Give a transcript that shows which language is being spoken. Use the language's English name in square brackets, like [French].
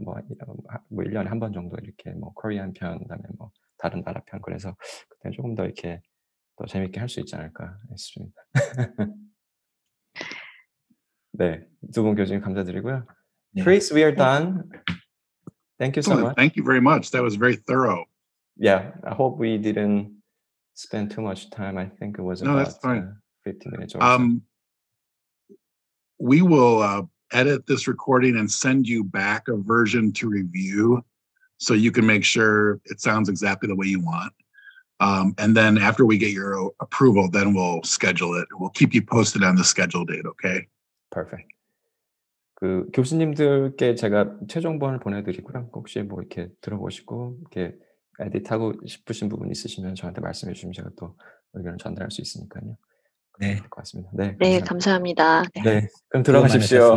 [Korean] 뭐 1년에 한 번 정도 이렇게 뭐 코리안 편 그다음에 뭐 다른 나라 편 그래서 그때 조금 더 이렇게 더 재밌게 할 수 있지 않을까 싶습니다. 네. 두 분 교수님 감사드리고요. [English] Chris, we are done. Thank you so much. Thank you very much. That was very thorough. Yeah, I hope we didn't spend too much time. I think it was about 15 minutes or so. We will edit this recording and send you back a version to review so you can make sure it sounds exactly the way you want. And then after we get your approval, then we'll schedule it. We'll keep you posted on the schedule date, okay? Perfect. [Korean] 그 교수님들께 제가 최종본을 보내드리고요. 혹시 뭐 이렇게 들어보시고 이렇게 에디트하고 싶으신 부분 있으시면 저한테 말씀해 주시면 제가 또 의견을 전달할 수 있으니까요. 네, 고맙습니다. 네, 감사합니다. 네, 그럼 들어가십시오.